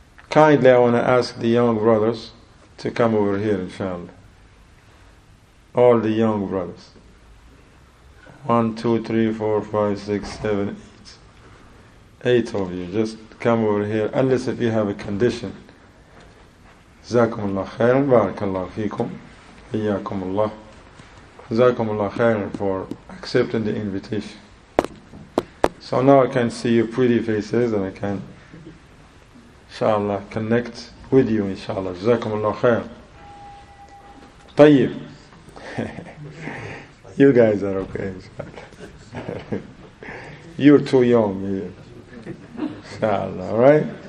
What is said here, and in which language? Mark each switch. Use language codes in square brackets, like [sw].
[en] Kindly, I want to ask the young brothers to come over here, inshallah. All the young brothers. 1, 2, 3, 4, 5, 6, 7, 8. 8 of you, just come over here, unless if you have a condition. [ar] جزاكم الله خيرا بارك الله فيكم إياكم الله جزاكم الله خيرا [en] for accepting the invitation. So now I can see your pretty faces and I can inshallah connect with you inshallah. [ar] جزاكم الله خيرا. طيب. [en] You guys are okay inshallah. You're too young inshallah, right?